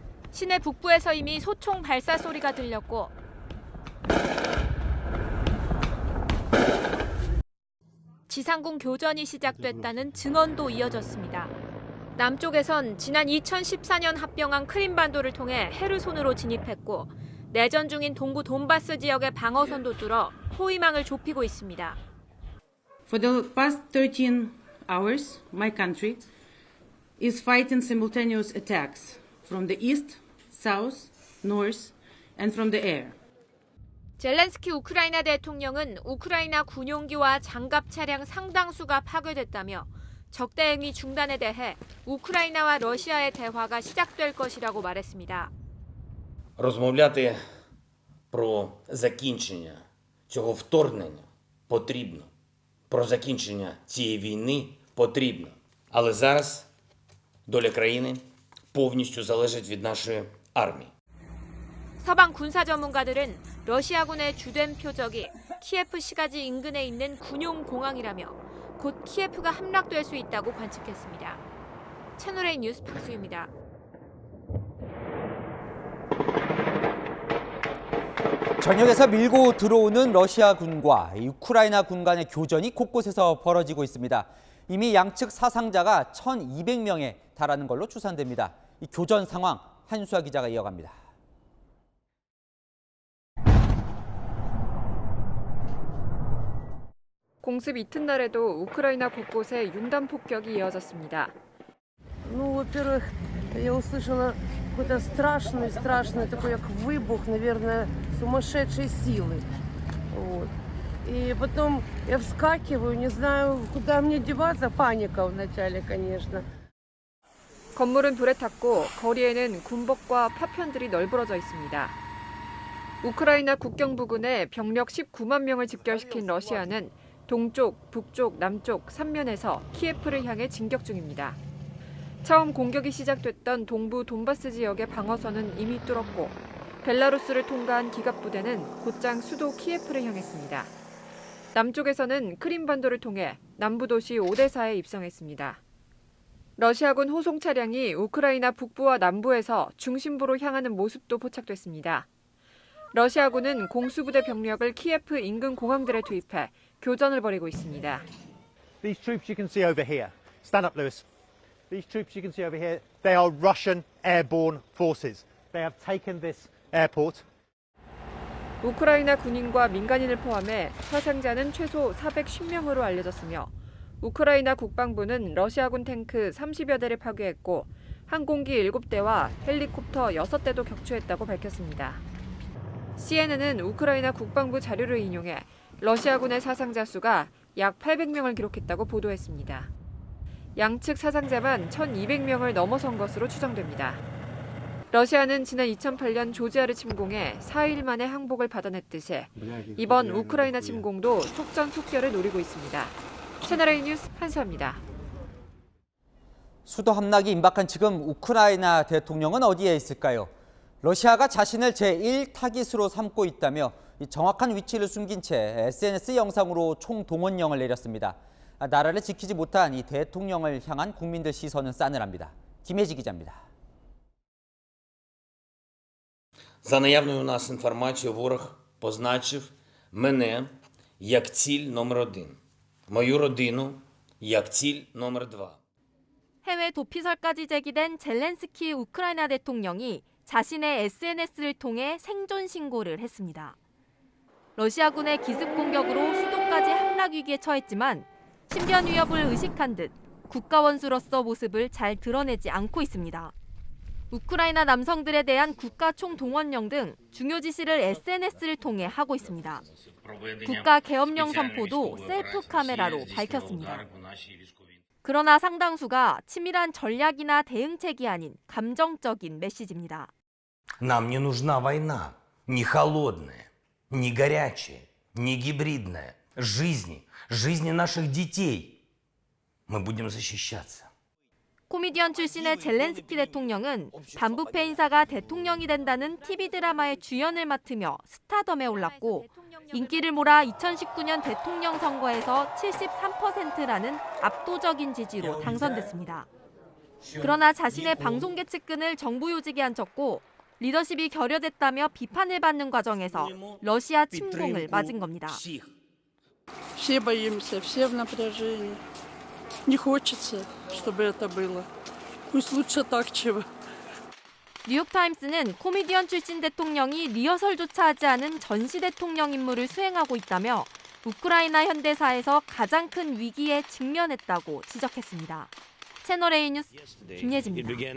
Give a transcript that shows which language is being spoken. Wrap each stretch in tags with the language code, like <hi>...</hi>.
<ko>시내 북부에서 이미 소총 발사 소리가 들렸고 지상군 교전이 시작됐다는 증언도 이어졌습니다. 남쪽에선 지난 2014년 합병한 크림반도를 통해 헤르손으로 진입했고 내전 중인 동부 돈바스 지역의 방어선도 뚫어 포위망을 좁히고 있습니다.</ko> <en>For the past 13 hours, my country is fighting simultaneous attacks from the east. South, North, and from the air.</en> <ko>젤렌스키 우크라이나 대통령은 우크라이나 군용기와 장갑 차량 상당수가 파괴됐다며 적대 행위 중단에 대해 우크라이나와 러시아의 대화가 시작될 것이라고 말했습니다.</ko> <uk>Розмовляти про закінчення цього вторгнення потрібно. Про закінчення цієї війни потрібно. Але зараз доля країни повністю залежить від нашої</uk> <ko>서방 군사 전문가들은 러시아군의 주된 표적이 키예프 시가지 인근에 있는 군용 공항이라며 곧 키예프가 함락될 수 있다고 관측했습니다. 채널A 뉴스 박수입니다. 전역에서 밀고 들어오는 러시아군과 우크라이나 군 간의 교전이 곳곳에서 벌어지고 있습니다. 이미 양측 사상자가 1,200명에 달하는 걸로 추산됩니다. 이 교전 상황 한수아 기자가 이어갑니다. 공습 이튿날에도 우크라이나 곳곳에 융단 폭격이 이어졌습니다.</ko> <ru>Ну, во-первых, я услышала какой-то страшный такой как вибух, наверное, сумасшедшей силы. Вот. И потом я вскакиваю, не знаю, куда мне деваться, паника вначале, конечно.</ru> <ko>건물은 불에 탔고 거리에는 군복과 파편들이 널브러져 있습니다. 우크라이나 국경 부근에 병력 19만 명을 집결시킨 러시아는 동쪽, 북쪽, 남쪽 3면에서 키예프를 향해 진격 중입니다. 처음 공격이 시작됐던 동부 돈바스 지역의 방어선은 이미 뚫었고 벨라루스를 통과한 기갑부대는 곧장 수도 키예프를 향했습니다. 남쪽에서는 크림반도를 통해 남부도시 오데사에 입성했습니다. 러시아군 호송 차량이 우크라이나 북부와 남부에서 중심부로 향하는 모습도 포착됐습니다. 러시아군은 공수부대 병력을 키예프 인근 공항들에 투입해 교전을 벌이고 있습니다.</ko> <en>These troops you can see over here. Stand up, Lewis. These troops you can see over here, they are Russian airborne forces. They have taken this airport.</en> <ko>우크라이나 군인과 민간인을 포함해 사상자는 최소 410명으로 알려졌으며 우크라이나 국방부는 러시아군 탱크 30여 대를 파괴했고 항공기 7대와 헬리콥터 6대도 격추했다고 밝혔습니다. CNN은 우크라이나 국방부 자료를 인용해 러시아군의 사상자 수가 약 800명을 기록했다고 보도했습니다. 양측 사상자만 1,200명을 넘어선 것으로 추정됩니다. 러시아는 지난 2008년 조지아를 침공해 4일 만에 항복을 받아냈듯이 이번 우크라이나 침공도 속전속결을 노리고 있습니다. 채널A 뉴스 한서입니다. 수도 함락이 임박한 지금 우크라이나 대통령은 어디에 있을까요? 러시아가 자신을 제1타깃으로 삼고 있다며 정확한 위치를 숨긴 채 SNS 영상으로 총동원령을 내렸습니다. 나라를 지키지 못한 이 대통령을 향한 국민들 시선은 싸늘합니다. 김혜지 기자입니다.</ko> <uk>За наявною у нас інформацією, ворог позначив мене як ціль номер один, мою родину як ціль номер два.</uk> <ko>해외 도피설까지 제기된 젤렌스키 우크라이나 대통령이 자신의 SNS를 통해 생존 신고를 했습니다. 러시아군의 기습 공격으로 수도까지 함락 위기에 처했지만 신변 위협을 의식한 듯 국가 원수로서 모습을 잘 드러내지 않고 있습니다. 우크라이나 남성들에 대한 국가 총동원령 등 중요 지시를 SNS를 통해 하고 있습니다. 국가 계엄령 선포도 셀프 카메라로 밝혔습니다. 그러나 상당수가 치밀한 전략이나 대응책이 아닌 감정적인 메시지입니다.</ko> <ru>Нам не нужна война. Ни холодная, ни горячая, ни гибридная. Жизни, жизни наших детей. Мы будем защищаться.</ru> <ko>코미디언 출신의 젤렌스키 대통령은 반부패 인사가 대통령이 된다는 TV 드라마의 주연을 맡으며 스타덤에 올랐고 인기를 몰아 2019년 대통령 선거에서 73%라는 압도적인 지지로 당선됐습니다. 그러나 자신의 방송계 측근을 정부 요직에 앉혔고 리더십이 결여됐다며 비판을 받는 과정에서 러시아 침공을 맞은 겁니다.</ko> <ru>Все боимся, все в напряжении. Не хочется, чтобы это было. Пусть лучше так, чем.</ru> <ko>뉴욕타임스는 코미디언 출신 대통령이 리허설조차 하지 않은 전시 대통령 임무를 수행하고 있다며 우크라이나 현대사에서 가장 큰 위기에 직면했다고 지적했습니다. 채널A 뉴스 김예지입니다.</ko>